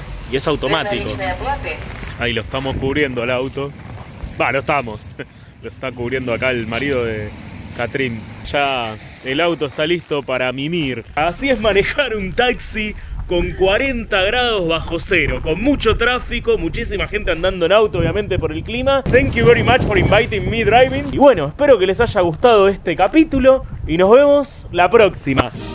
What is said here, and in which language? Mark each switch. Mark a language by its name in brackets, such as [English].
[Spanish] Y es automático. Ahí lo estamos cubriendo el auto. Va, lo estamos. Lo está cubriendo acá el marido de Katrin. Ya el auto está listo para mimir. Así es manejar un taxi con 40 grados bajo cero, con mucho tráfico, muchísima gente andando en auto, obviamente por el clima. [English] Thank you very much for inviting me driving. [Spanish] Y bueno, espero que les haya gustado este capítulo y nos vemos la próxima.